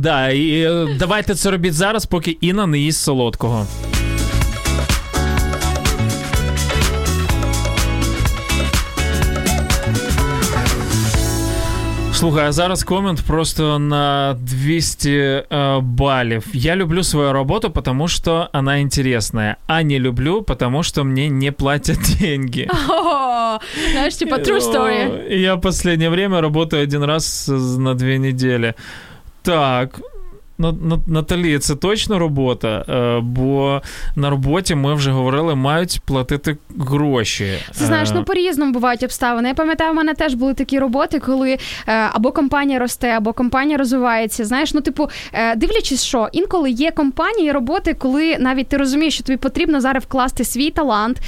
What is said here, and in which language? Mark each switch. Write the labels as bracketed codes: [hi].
[uk] Да, і давайте це робіть зараз, поки Інна не їсть солодкого. Слухай, а зараз комент просто на 200 балів. [ru] Я люблю свою роботу, потому что она интересная. А не люблю, потому что мне не платят деньги. Знаешь, типа [en] true story. [ru] Я в последнее время работаю один раз на 2 недели. [uk] Так... Наталі, це точно робота, бо на роботі, ми вже говорили, мають платити гроші. Це, знаєш, ну, по-різному бувають обставини. Я пам'ятаю, в мене теж були такі роботи, коли або компанія росте, або компанія розвивається. Знаєш, ну, типу, дивлячись, що інколи є компанії, роботи, коли навіть ти розумієш, що тобі потрібно зараз вкласти свій талант,